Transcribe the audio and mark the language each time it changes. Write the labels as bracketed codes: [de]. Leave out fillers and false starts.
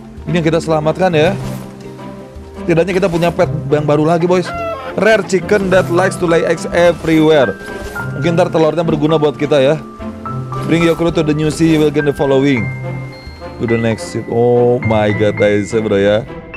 [id] Ini yang kita selamatkan ya. Setidaknya kita punya pet yang baru lagi, boys. [en] Rare chicken that likes to lay eggs everywhere. [id] Mungkin ntar telurnya berguna buat kita ya. [en] Bring your crew to the new sea, you will gain the following. To the next ship. Oh my god, guys, bro ya.